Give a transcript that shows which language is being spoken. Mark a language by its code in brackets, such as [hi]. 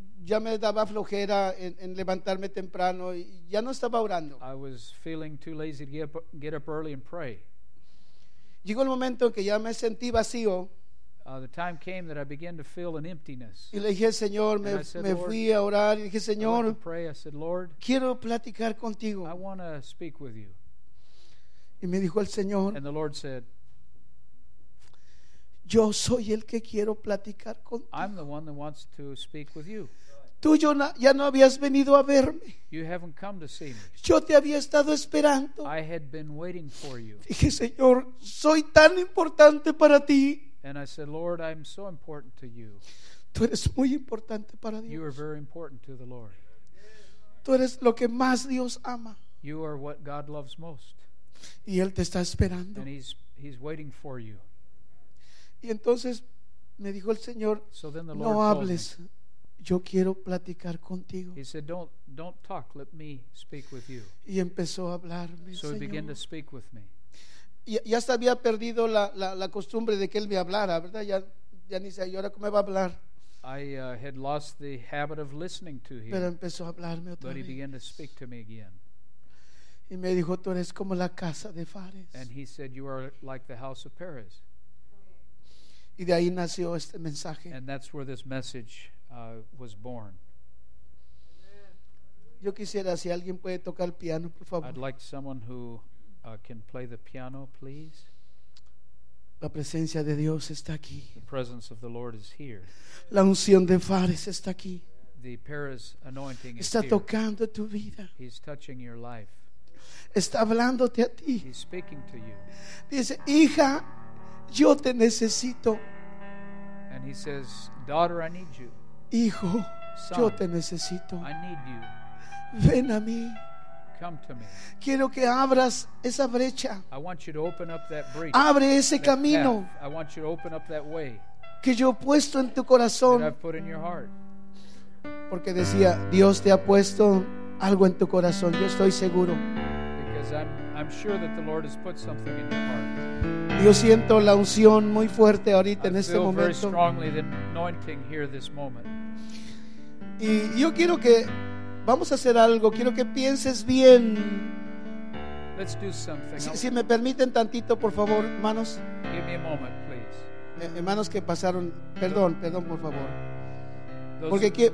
[es] ya me daba flojera en levantarme temprano y ya no estaba orando. [en] I was feeling too lazy to get up early and pray. [es] Llegó el momento en que ya me sentí vacío. [en] The time came that I began to feel an emptiness. [es] Y le dije, Señor, me fui a orar. Y dije, Señor, [en] I went to pray. I said, Lord, [es] quiero platicar contigo. [en] I want to speak with you. [es] Y me dijo el Señor. [en] And the Lord said, [es] yo soy el que quiero platicar contigo. [en] I'm the one that wants to speak with you. [es] Tú ya no habías venido a verme. [en] You haven't come to see me. [es] Yo te había estado esperando. [en] I had been waiting for you. [es] Dije, Señor, soy tan importante para ti. [en] And I said, Lord, I'm so important to you. [es] Tú eres muy importante para Dios. [en] You are very important to the Lord. [es] Tú eres lo que más Dios ama. [en] You are what God loves most. [es] Y Él te está esperando. [en] And he's waiting for you. [es] Y entonces me dijo el Señor, [en] so then the Lord [es] no hables. Yo quiero platicar contigo. [en] He said, don't talk, let me speak with you. [es] Y empezó a hablarme, [en] so [es] Señor. [en] He began to speak with me. [es] Ya se había perdido la costumbre de que él me hablara, ¿verdad? Ya ni sé, ¿y ahora cómo me va a hablar? [en] I had lost the habit of listening to him. [es] Pero empezó a hablarme otra [en] but [es] vez. [en] He began to speak to me again. [es] Y me dijo, tú eres como la casa de Phares. [en] And he said, you are like the house of Perez. [es] Y de ahí nació este mensaje. [en] And that's where this message was born. [es] Yo quisiera, si alguien puede tocar el piano, por favor. [en] I'd like someone who can play the piano, please. [es] La presencia de Dios está aquí. [en] The presence of the Lord is here. [es] La unción de Fares está aquí. [en] The Paris anointing [es] está [en] is here. [es] Está tocando tu vida. [en] He's touching your life. [es] Está hablándote a ti. [en] He's speaking to you. [es] Dice, hija, yo te necesito. [en] And he says, daughter, I need you. [es] Hijo, [en] son, [es] yo te necesito. [en] I need you. [es] Ven a mí. [en] Come to me. [es] Quiero que abras esa brecha. [en] I want you to open up that breach. [es] Abre ese [en] that [es] camino. [en] Path. I want you to open up that way. [es] Que yo he puesto en tu corazón. [en] That I've put in your heart. [es] Porque decía, Dios te ha puesto algo en tu corazón. Yo estoy seguro. [en] Because I'm sure that the Lord has put something in your heart. [es] Yo siento la unción muy fuerte ahorita en este momento. [en] I feel very strongly the anointing here this moment. [es] Y yo quiero que vamos a hacer algo. Quiero que pienses bien. [en] Let's do something. [es] Si me permiten tantito, por favor, hermanos. [en] Give me a moment, please. [es] Hermanos que pasaron, perdón, por favor.